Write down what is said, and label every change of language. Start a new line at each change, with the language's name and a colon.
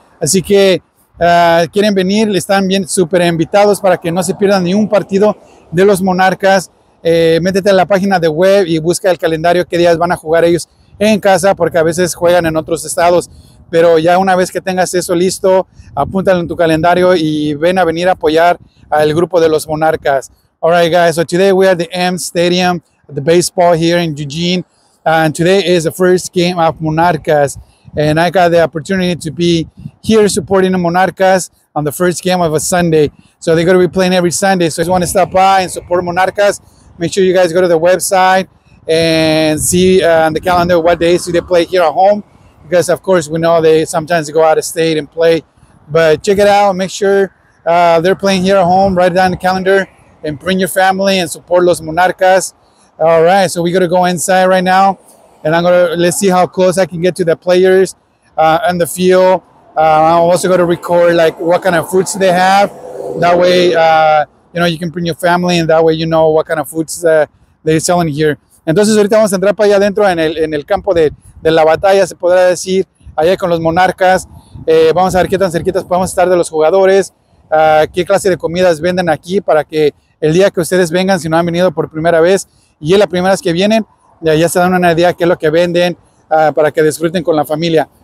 Spanish: Así que quieren venir, le están bien súper invitados para que no se pierdan ni un partido de los Monarcas. Métete a la página de web y busca el calendario qué días van a jugar ellos en casa, porque a veces juegan en otros estados. Pero ya una vez que tengas eso listo, apúntalo en tu calendario y ven a venir a apoyar al grupo de los Monarcas.
English: All right, guys, so today we are at the M Stadium, the baseball here in Eugene. And today is the first game of Monarcas. And I got the opportunity to be here supporting the Monarcas on the first game of a Sunday. So they're going to be playing every Sunday. So if you want to stop by and support Monarcas, make sure you guys go to the website and see on the calendar what days do they play here at home. Because, of course, we know they sometimes go out of state and play. But check it out. Make sure they're playing here at home. Write it down the calendar and bring your family and support Los Monarcas. All right. So we're going to go inside right now. And I'm going to, let's see how close I can get to the players on the field. I'm also going to record like what kind of foods they have. That way, you know, you can bring your family and that way you know what kind of foods they're selling here.
Spanish: Entonces, ahorita vamos a entrar para allá adentro en el campo de la batalla, se podrá decir, allá con los Monarcas. Vamos a ver qué tan cerquitas podemos estar de los jugadores, qué clase de comidas venden aquí para que el día que ustedes vengan, si no han venido por primera vez y es la primera vez que vienen, ya se dan una idea de qué es lo que venden para que disfruten con la familia.